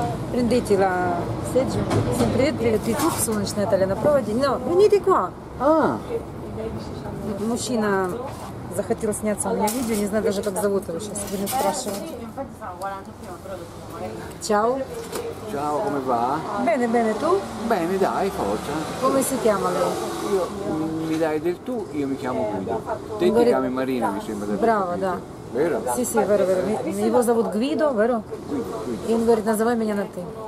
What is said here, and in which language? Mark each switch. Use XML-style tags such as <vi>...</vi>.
<it>Prendete la sedia, se prendete le tue sono in Italia, provate, no, venite qua. Ah.</it> <ru>Мужчина захотел сняться у меня видео, не знаю даже как зовут его сейчас, будем спрашивать.</ru> <it>Чао. Чао, come va? Bene, bene, tu? Bene, dai, forza. Come si chiama lui? Io mi dai del tu, io mi chiamo Guido. Te ti chiami Marina, mi sembra. Bravo, da. Vero? Sì, sì, vero, vero.</it> <ru>Его зовут Гвидо, vero? И он говорит, называй меня на ты.</ru>